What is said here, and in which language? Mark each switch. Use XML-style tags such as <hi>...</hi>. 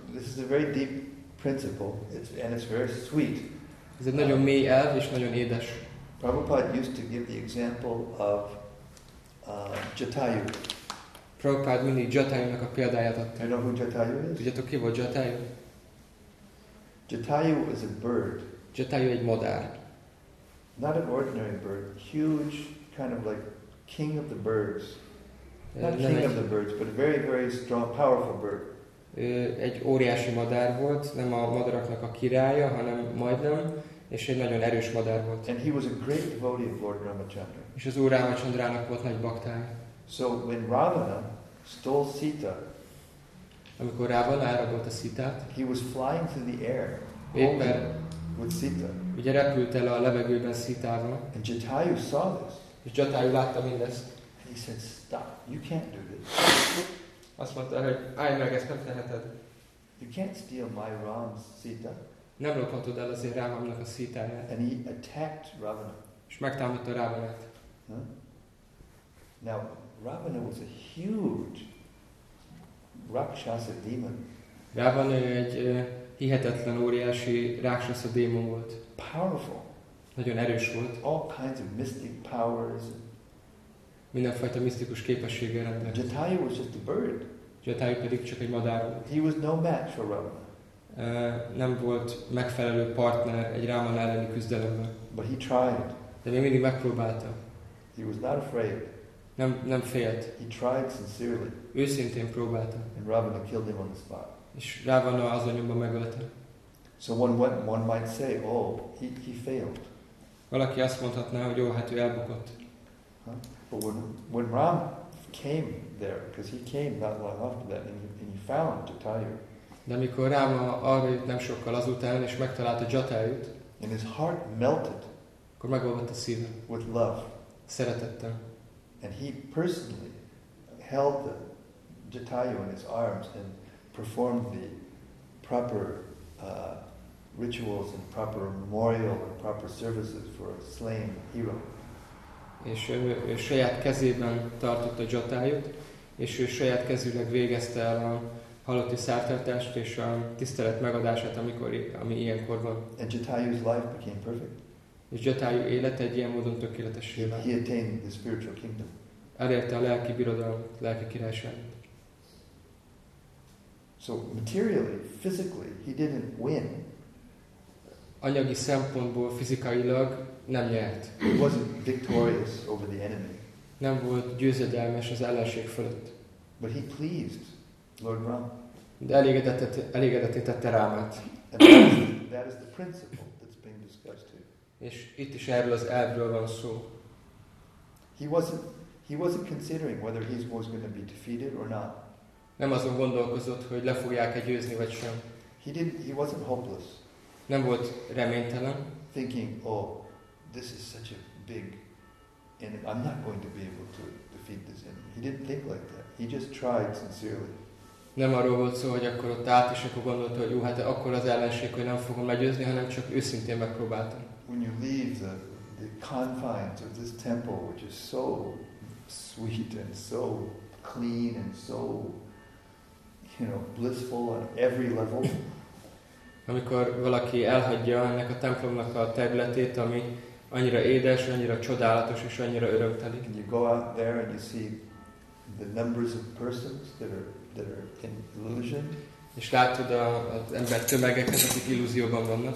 <en>This is a very deep principle, and it's very sweet.</en> <hu>Ez egy nagyon mély elv és nagyon édes.</hu> <en>Prabhupada used to give the example of Jatayu.</en> <hu>Prabhupada mindig Jatayunak a példáját adta.</hu> <en>You know who Jatayu is?</en> <hu>Tudjátok, ki volt Jatayu?</hu> <en>Jatayu is a bird.</en> <hu>Jatayu egy madár.</hu> <en>Not an ordinary bird, huge, kind of like king of the birds. But a very, very strong, powerful bird.</en> <hu>Egy óriási madár volt, nem a madaraknak a királya, hanem majdnem, és egy nagyon erős madár volt.</hu> <en>And he was a great devotee of Lord Ramachandra.</en> <hu>És az Úr Ramachandrának volt nagy baktája.</hu> <en>So when Ravana stole Sita,</en> <hu>amikor Ravana elrabolta Sitát,</hu> <en>he was flying through the air, holding with Sita.</en> <hu>Ugye repült el a levegőben Sitával.</hu> <en>And Jatayu saw this.</en> <hu>És Jatayu látta mindezt.</hu> <en>And he said, stop, you can't do this.</en> <hu>Azt mondta, hogy állj meg, ezt nem teheted.</hu> <en>You can't steal my Ram's Sita.</en> <hu>Nem lophatod el azért Rámamnak a Sitáját.</hu> <en>And he attacked Ravana.</en> <hu>És megtámadta Ravanát.</hu> <en>Now, Ravana was a huge Rakshasa demon.</en> <hu>Ravana egy hihetetlen, óriási Rakshasa démon volt.</hu> <en>Powerful.</en> <hu>Nagyon erős volt.</hu> <en>All kinds of mystic powers.</en> <hu>mindenfajta misztikus képességgel rendelkezik.</hu> <en>Jatayu was just a bird.</en> <hu>Jatayu pedig csak egy madár volt.</hu> <en>He was no match for Rama.</en> <hu>Nem volt megfelelő partner egy Rama elleni küzdelemben.</hu> <en>But he tried.</en> <hu>De még mindig megpróbálta.</hu> <en>He was not afraid.</en> <hu>Nem félt.</hu> <en>He tried sincerely.</en> <hu>Őszintén próbálta.</hu> <en>And Ravana killed him on the spot.</en> <hu>És Ravana az anyomba megölte.</hu> <en>So one might say, oh, he failed.</en> <hu>Valaki azt mondhatná, hogy jó, hát ő elbukott.</hu> <en>But when Ram came there, because he came not long after that, and he found Jatayu.</en> <hu>De amikor Rama arra jött nem sokkal azután, és megtalálta Jatayut,</hu> <en>and his heart melted,</en> <hu>akkor megolvadt a szíve,</hu> <en>with love,</en> <hu>szeretettel.</hu> <en>And he personally held the Jatayu in his arms and performed the proper rituals and proper memorial and proper services for a slain hero.</en> <hu>És ő saját kezében tartotta Jatayut, és ő saját kezűleg végezte el a halotti szertartást és a tisztelet megadását, ami ilyenkor van.</hu> <en>And Jatayu's life became perfect.</en> <hu>És Jatayu élete egy ilyen módon tökéletessé vált.</hu> <en>He attained the spiritual kingdom.</en> <hu>Elérte a lelki birodalmat, lelki királyságot.</hu> <en>So materially, physically, he didn't win.</en> <hu>Anyagi szempontból, fizikailag nem nyert.</hu> <en>He wasn't victorious over the enemy.</en> <hu>Nem volt győzedelmes az ellenség fölött.</hu> <en>But he pleased Lord Ram.</en> <hu>De elégedetté tette Rámát.</hu> <en>That is the principle that's being discussed here.</en> <hu>És itt is erről az elvről van szó.</hu> <en>He wasn't considering whether he was going to be defeated or not.</en> <hu>Nem azon gondolkozott, hogy le fogják-e győzni vagy sem.</hu> <en>He wasn't hopeless.</en> <hu>Nem volt reménytelen.</hu> <en>Thinking, oh, this is such a big enemy. I'm not going to be able to defeat this enemy. He didn't think like that. He just tried sincerely.</en> <hu>Nem arról volt szó, hogy akkor ott állt, és akkor gondolta, hogy jó, hát akkor az ellenség, hogy nem fogom legyőzni, hanem csak őszintén megpróbáltam.</hu> <en>When you leave the confines of this temple, which is so sweet and so clean and so, you know, blissful on every level.</en> <hu>Amikor valaki elhagyja ennek a templomnak a területét, ami annyira édes, annyira csodálatos és annyira örömteli.</hu> <en>You go out there and you see the numbers of persons that are in illusion.</en> <hu>És látod az ember tömegeket, akik illúzióban vannak.</hu>